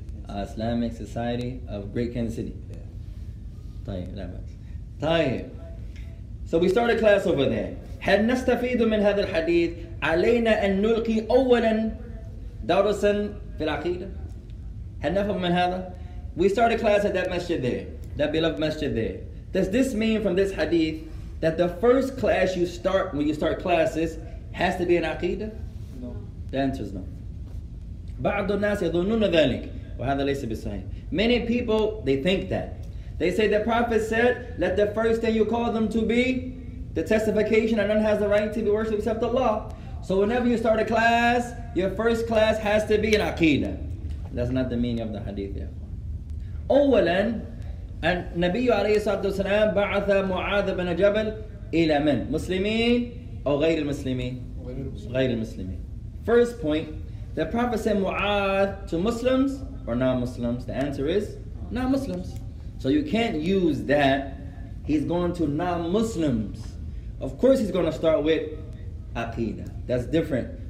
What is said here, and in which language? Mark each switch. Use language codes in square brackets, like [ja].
[en] Islamic Society of Great Kansas City. Yeah. [ar] طيب. [en] So we started class over there. [ar] هل نستفيد من هذا الحديث علينا أن نلقي أولا درسا في العقيدة? هل نفهم من هذا? [en] We started class at that masjid there, that beloved masjid there. Does this mean from this hadith that the first class you start when you start classes has to be an aqidah? No. The answer is no. [ar] بعض الناس يظنون ذلك وهذا ليس بالصحيح. [en] Many people, they think that. They say the Prophet said, let the first thing you call them to be the testification and none has the right to be worshipped except Allah. So whenever you start a class, your first class has to be an aqidah. That's not the meaning of the hadith there. [ar] أولا أن نبي عليه الصلاة والسلام بعث معاذ بن جبل إلى من مسلمين أو غير المسلمين غير المسلمين. [en] First point, the Prophet said معاذ to Muslims or non-Muslims. The answer is non-Muslims. So you can't use that. He's going to non-Muslims. Of course, he's going to start with aqidah. That's different.